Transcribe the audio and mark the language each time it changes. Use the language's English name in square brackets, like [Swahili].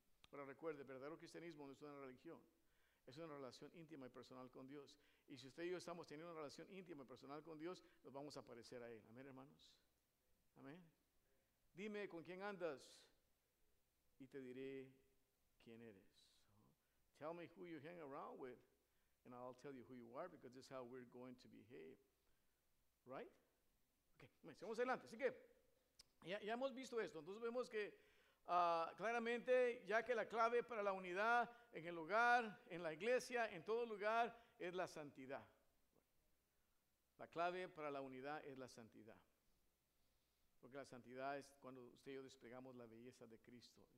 [Spanish] Pero recuerde, el verdadero cristianismo no es una religión, es una relación íntima y personal con Dios. Y si usted y yo estamos teniendo una relación íntima y personal con Dios, nos vamos a parecer a Él. Amén, hermanos. Amén. Dime con quién andas y te diré quién eres. [English] Tell me who you hang around with and I'll tell you who you are, because this is how we're going to behave. [Spanish] Right? Okay, seguimos adelante. Así que ya hemos visto esto. Entonces vemos que claramente, ya que la clave para la unidad en el hogar, en la iglesia, en todo lugar, es la santidad. La clave para la unidad es la santidad. Porque la santidad es cuando usted y yo desplegamos la belleza de Cristo.